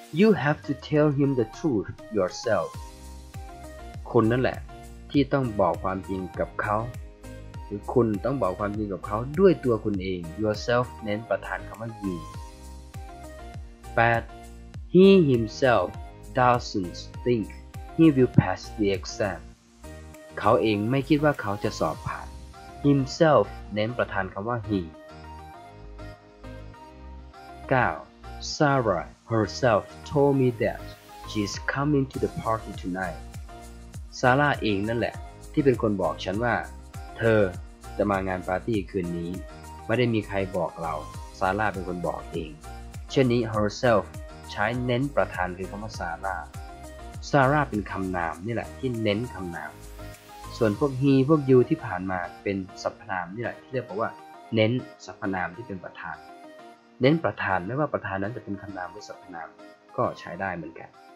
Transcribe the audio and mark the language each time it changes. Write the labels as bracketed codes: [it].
[en] You have to tell him the truth yourself [th] คุณนั่นแหละที่ต้องบอกความจริงกับเขาหรือคุณต้องบอกความจริงกับเขาด้วยตัวคุณเอง Yourself เน้นประธานคำว่า you 8. [en] He himself doesn't think he will pass the exam. [th] เขาเองไม่คิดว่าเขาจะสอบผ่าน himself เน้นประธานคำว่า he 9. [en] Sarah herself told me that she's coming to the party tonight. [th] ซาร่าเองนั่นแหละที่เป็นคนบอกฉันว่าเธอจะมางานปาร์ตี้คืนนี้ไม่ได้มีใครบอกเราซาร่าเป็นคนบอกเองเช่นนี้ herself ใช้เน้นประธานคือคำว่าซาร่าซาร่าเป็นคำนามนี่แหละที่เน้นคำนามส่วนพวก he พวก you ที่ผ่านมาเป็นสรรพนามนี่แหละที่เรียกว่าเน้นสรรพนามที่เป็นประธานเน้นประธานไม่ว่าประธานนั้นจะเป็นคำนามหรือสรรพนามก็ใช้ได้เหมือนกัน